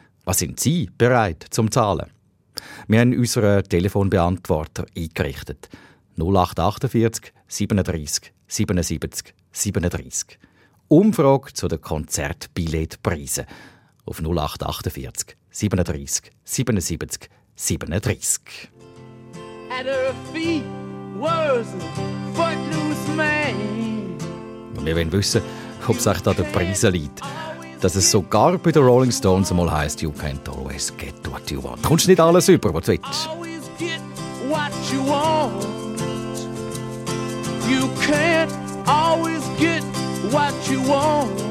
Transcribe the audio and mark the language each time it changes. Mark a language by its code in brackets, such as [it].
[de] Was sind Sie bereit zum Zahlen? Wir haben unseren Telefonbeantworter eingerichtet. 0848 37 77 37. Umfrage zu den Konzertbilletpreisen auf 0848 37 77 37. [en] At her feet was a footloose man. [de] Und wir wollen wissen, ob es echt an den Preisen liegt. Dass es sogar bei den Rolling Stones mal heisst, [en] you can't always get what you want. [de] Kommst nicht alles über, was du willst. [en] Always get what you want. You can't always get what you want.